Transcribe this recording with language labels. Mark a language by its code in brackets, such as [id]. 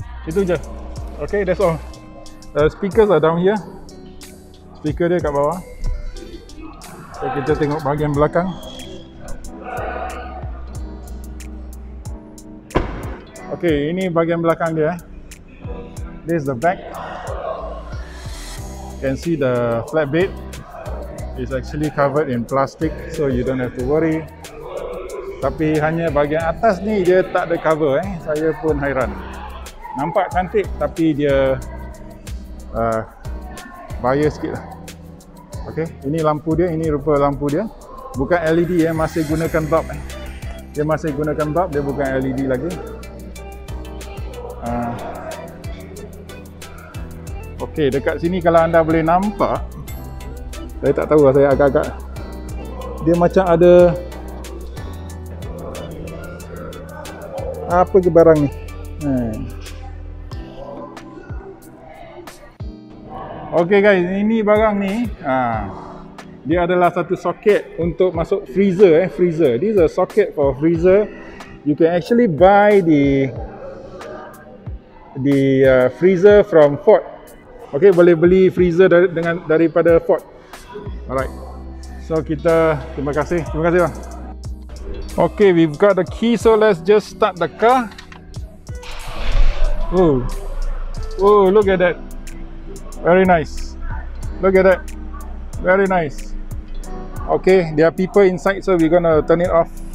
[ms] Itu je, [en] okay, that's all. Speakers are down here, [ms] speaker dia kat bawah. So, kita tengok bahagian belakang. Okay, ini bahagian belakang dia. [en] This is the back. You can see the flatbed is actually covered in plastic, so you don't have to worry. [ms] Tapi hanya bahagian atas ni dia tak ada cover. Saya pun hairan. Nampak cantik tapi dia bahaya sikit lah. Okay, ini lampu dia, ini rupa lampu dia. Bukan LED, masih gunakan bulb. Dia masih gunakan bulb, dia bukan LED lagi. Okay, dekat sini kalau anda boleh nampak, saya tak tahu, saya agak-agak, dia macam ada apa ke barang ni. Okay guys, ini barang ni, dia adalah satu soket untuk masuk freezer. [en] Freezer, this is a socket for freezer. You can actually buy the freezer from Ford. [ms] Okay, boleh beli freezer daripada Ford. Alright, so kita terima kasih bang. [en] Okay, we've got the key, so let's just start the car. Oh, look at that. Very nice. Look at that. Very nice. Okay, there are people inside, so we're gonna turn it off.